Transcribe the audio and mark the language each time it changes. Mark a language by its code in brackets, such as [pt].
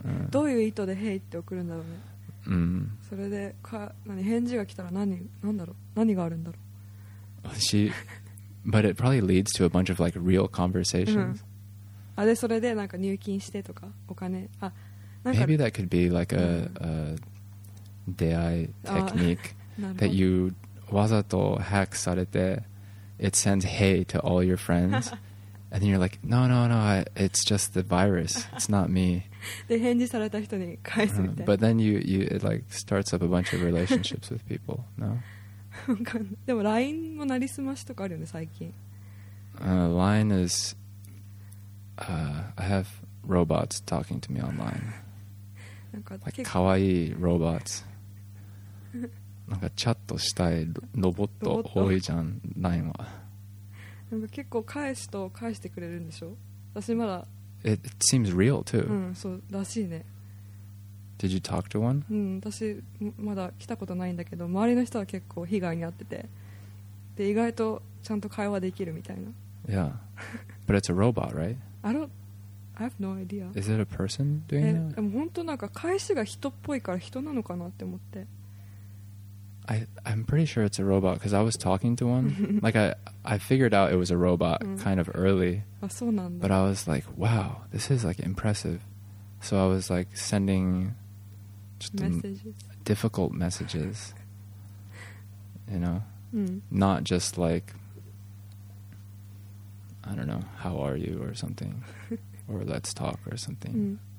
[ja] どういう意図で hey って送るんだろうね。それで何返事が来たら何、何だろう、何があるんだろう。 [en] She... But it probably leads to a bunch of like real conversations. [ja] あ、で、それでなんか入金してとか、お金、あ、なんか、 [en] Maybe that could be like a 出会い technique that you [ja] わざとハックされて、 [en] it sends hey to all your friends, and then you're like, no, no, no, it's just the virus, it's not me. [ja] で、返事された人に返すみたいな。 [en] But then you it like starts up a bunch of relationships with people, no? [ja] でも LINE もなりすましとかあるよね最近。 [en] LINE is I have robots talking to me online. [ja] なんか like, かわいいロボット。なんかチャットしたいロボット多いじゃん LINE は。なんか結構返すと返してくれるんでしょ。私まだ。 [en] It seems real too. [ja] うん、そうらしいね。 [en] Did you talk to one? [ja] うん、私まだ来たことないんだけど、周りの人は結構被害に遭ってて、で意外とちゃんと会話できるみたいな。 [en] Yeah, but it's a robot, right? I have no idea. Is it a person doing that? [ja] でも本当なんか返しが人っぽいから人なのかなって思って。 [en] I'm pretty sure it's a robot because I was talking to one. Like I figured out it was a robot kind of early. [ja] あ、そうなんだ。 [en] But I was like, wow, this is like impressive. So I was like sending difficult messages, you know, not just like, I don't know, how are you or something, or let's talk or something.